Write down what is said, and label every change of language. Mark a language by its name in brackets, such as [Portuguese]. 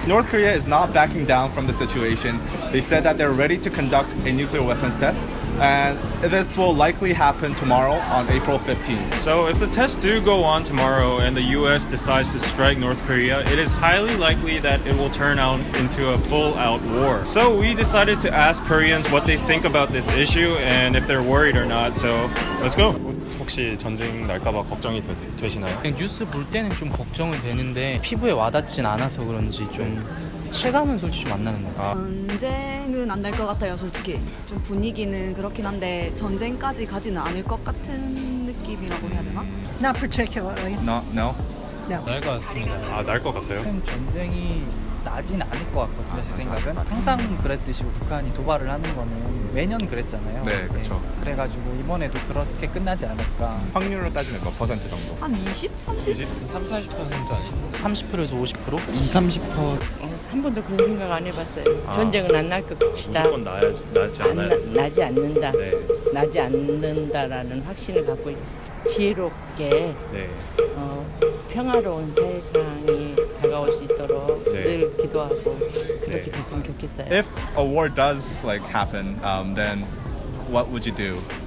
[English] North Korea is not backing down from the situation. They said that they're ready to conduct a nuclear weapons test, and this will likely happen tomorrow on April 15th. So if the tests do go on tomorrow and the US decides to strike North Korea, it is highly likely that it will turn out into a full-out war. So we decided to ask Koreans what they think about this issue and if they're worried or not, so let's go. [Korean] 혹시 전쟁 날까봐 걱정이 되시나요? 그냥 뉴스 볼 때는 좀 걱정이 되는데 피부에 와닿진 않아서 그런지 좀 실감은 솔직히 좀 안 나는 것 같아요. 전쟁은 안 날 것 같아요, 솔직히. 좀 분위기는 그렇긴 한데 전쟁까지 가지는 않을 것 같은 느낌이라고 해야 되나? [English] Not particularly. No. [Korean] 날 것 같습니다. 아, 날 것 같아요? 전쟁이 나진 않을 것 같거든요, 제 생각은. 항상 그랬듯이 북한이 도발을 하는 거는 매년 그랬잖아요. 네, 그렇죠. 네. 그래가지고 이번에도 그렇게 끝나지 않을까. 확률로 따지면 몇 퍼센트 정도? 한 20? 30? 30, 40% 아니에요? 30%에서 50%? 20, 30%? 한 번도 그런 생각 안 해봤어요. 전쟁은 안 날 것이다. 무조건 나야지, 나지 않아요. 나지 않는다. 네. 나지 않는다라는 확신을 갖고 있어요. 지혜롭게 네. 평화로운 세상이 다가올 수 있도록 네. 늘 기도하고 그렇게 네. 됐으면 좋겠어요. [English] If a war does like happen, then what would you do?